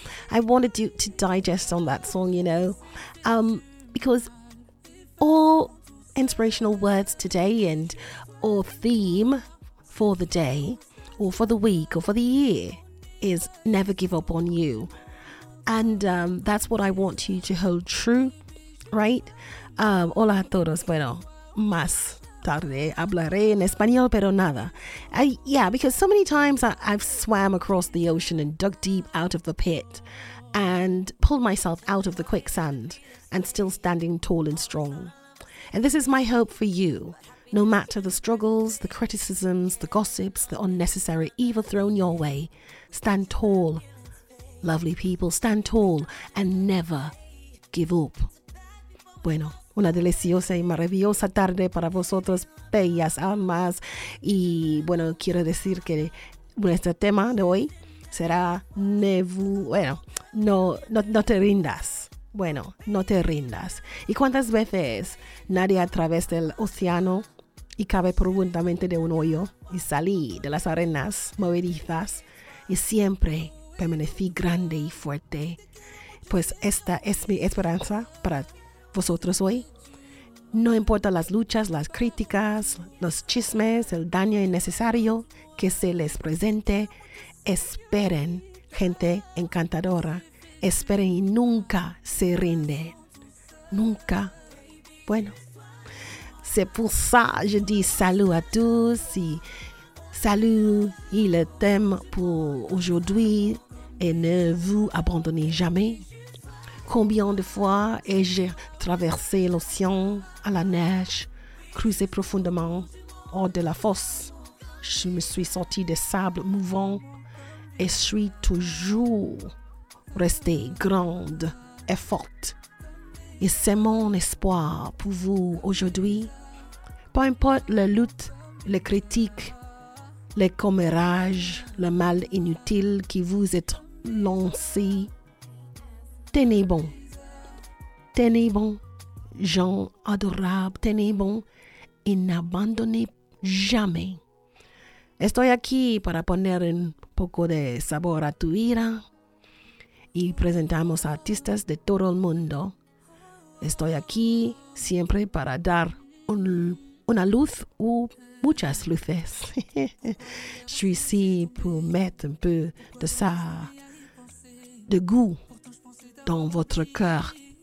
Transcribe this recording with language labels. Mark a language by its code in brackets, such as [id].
[en] I wanted you to digest on that song, you know, because all inspirational words today and or theme for the day or for the week or for the year is never give up on you. And that's what I want you to hold true, right? [es] Hola a todos. Bueno, más tarde hablaré en español, pero nada. [en] Yeah, because so many times I've swam across the ocean and dug deep out of the pit and pulled myself out of the quicksand and still standing tall and strong. And this is my hope for you. No matter the struggles, the criticisms, the gossips, the unnecessary evil thrown your way, stand tall, lovely people, stand tall and never give up. [es] Bueno, una deliciosa y maravillosa tarde para vosotros, bellas almas. Y bueno, quiero decir que nuestro tema de hoy será no te rindas. Bueno, no te rindas. ¿Y cuántas veces nadie a través del océano y cabe profundamente de un hoyo y salí de las arenas movedizas y siempre permanecí grande y fuerte? Pues esta es mi esperanza para vosotros hoy. No importa las luchas, las críticas, los chismes, el daño innecesario que se les presente, esperen, gente encantadora, esperen y nunca se rinden. Nunca. Bueno. [fr] C'est pour ça que je dis salut à tous et salut et le thème pour aujourd'hui et ne vous abandonnez jamais. Combien de fois ai-je traversé l'océan à la neige, creusé profondément hors de la fosse. Je me suis sorti des sables mouvants et suis toujours restée grande et forte. Et c'est mon espoir pour vous aujourd'hui. Peu importe la lutte, les critiques, les commérages, le mal inutile qui vous est lancé, tenez bon, gens adorables, tenez bon et n'abandonnez jamais. [es] Estoy aquí para poner un poco de sabor a tu ira y presentamos artistas de todo el mundo. Estoy aquí siempre para dar una luz o muchas luces. [fr] Je suis ici pour mettre un peu de ça, de goût dans votre cœur.